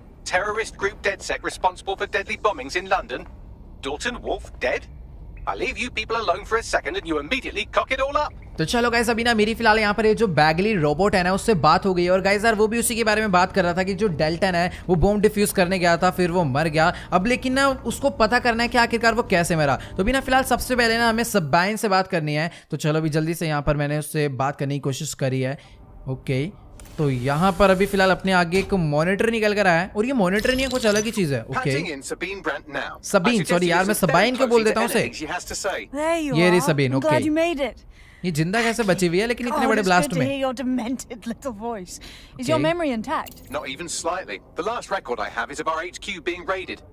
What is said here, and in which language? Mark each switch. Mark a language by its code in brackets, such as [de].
[en] Terrorist group DedSec responsible for deadly bombings in London. Dalton Wolf dead? I leave you people alone for a second and you immediately cock it all up. [hi] तो चलो guys अभी ना मेरी फिलहाल यहाँ पर ये जो बैगली रोबोट है ना उससे बात हो गई है, और गाइस यार वो भी उसी के बारे में बात कर रहा था कि जो डेल्टन है वो बॉम्ब डिफ्यूज करने गया था फिर वो मर गया। अब लेकिन ना उसको पता करना है कि आखिरकार वो कैसे मरा, तो अभी ना फिलहाल सबसे पहले ना हमें सबाइन से बात करनी है। तो चलो अभी जल्दी से यहाँ पर मैंने उससे बात करने की कोशिश करी है। ओके तो यहाँ पर अभी फिलहाल अपने आगे एक मॉनिटर निकल कर आया है, और ये मॉनिटर नहीं है कुछ अलग ही चीज है। ओके सबाइन, सॉरी यार मैं सबाइन को बोल देता हूँ उसे। ये रही सबाइन। ओके ये जिंदा कैसे बची हुई है लेकिन इतने बड़े ब्लास्ट में। [en] Your demented little voice. Is your memory intact? Not even slightly. The last record I have is of our HQ being raided.